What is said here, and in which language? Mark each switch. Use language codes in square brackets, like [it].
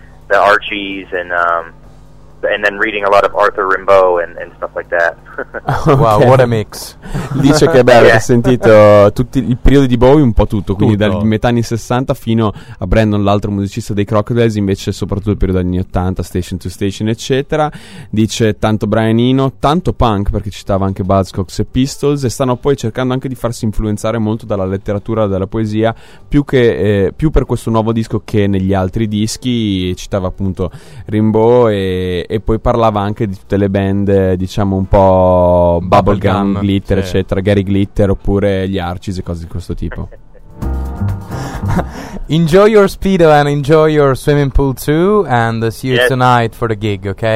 [en] the Archies and then reading a lot of Arthur Rimbaud and stuff like that. Okay. Wow, what a mix. [it] Dice che bello, yeah. Hai sentito tutti il periodo di Bowie, un po' tutto, quindi dal metà anni 60 fino a Brandon, l'altro musicista dei Crocodiles, invece soprattutto il periodo degli anni 80, Station to Station, eccetera. Dice tanto Brian Eno, tanto punk, perché citava anche Buzzcocks e Pistols, e stanno poi cercando anche di farsi influenzare molto dalla letteratura, dalla poesia, più per questo nuovo disco che negli altri dischi. Citava appunto Rimbaud e poi parlava anche di tutte le band, diciamo un po' bubblegum, glitter, sì, eccetera, Gary Glitter oppure gli Archies e cose di questo tipo. [en] Enjoy your speedo and enjoy your swimming pool too, and see you, yes, tonight for the gig, okay?